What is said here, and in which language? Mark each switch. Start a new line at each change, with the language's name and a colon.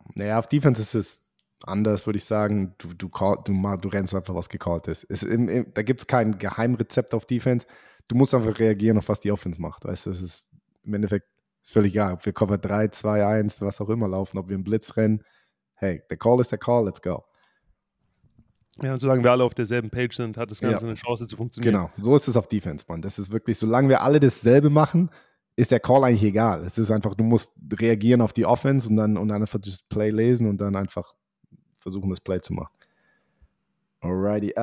German: Naja, auf Defense ist es anders, würde ich sagen. Du rennst einfach, was gecallt ist. Da gibt es kein Geheimrezept auf Defense. Du musst einfach reagieren, auf was die Offense macht. Weißt du, es ist im Endeffekt ist völlig egal, ob wir Cover 3, 2, 1, was auch immer laufen, ob wir im Blitz rennen.
English: Hey, the call is the call, let's go.
German: Ja, und solange wir alle auf derselben Page sind, hat das Ganze eine Chance zu funktionieren. Genau, so ist es auf Defense, Mann. Das ist wirklich, solange wir alle dasselbe machen, ist der Call eigentlich egal. Es ist einfach, du musst reagieren auf die Offense und dann einfach das Play lesen und dann einfach versuchen, das Play zu machen. Alrighty.